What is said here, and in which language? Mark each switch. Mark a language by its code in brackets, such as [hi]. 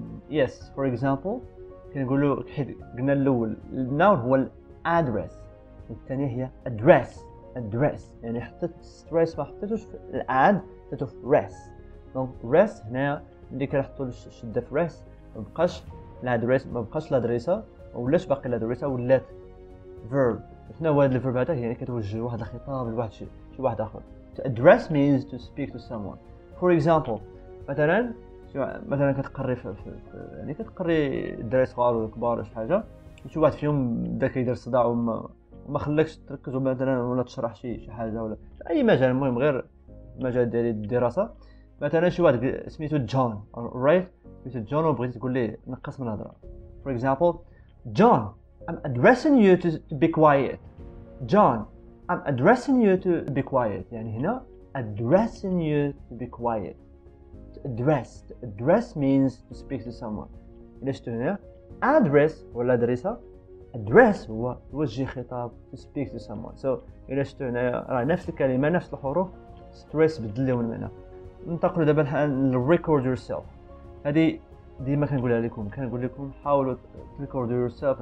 [en] Yes for example [ar] كنقولو حيت قلنا الأول الناون هو الأدريس والثانية هي address يعني حطيت stress ما حطيتوش في الأد حطيتو في rest. دونك rest هنا اللي كنحطو الشدة في rest مبقاش الادريسة ولاش باقي الادريسة ولات verb. شنو هاد الverb هذا؟ يعني كتوجه واحد الخطاب لواحد شي واحد اخر. [en] To address means to speak to someone. For example [ar] مثلا كتقري في يعني كتقري الدراري صغار وكبار شي حاجة وشي واحد فيهم بدا كيدير صداع وما خلاكش تركز مثلا ولا تشرح شي حاجة ولا اي مجال المهم غير مجال ديال الدراسة. مثلا شي واحد سميتو جون right بيت جون وبغيت تقول لي نقص من الهضره. [en] For example John I'm addressing you to be quiet. John I'm addressing you to be quiet. [ar] يعني هنا [en] addressing you to be quiet. To address means to speak to someone. [ar] ليش تقول address ولا ادريسه؟ address هو توجه خطاب [en] to speak to someone. [ar] So ليش تقول نفس الكلمه نفس الحروف stress بدل لهم المعنى. ننتقل دابا لل record yourself. هذه ديما كنقولها لكم كنقول لكم حاولوا [en] تريكورد your self.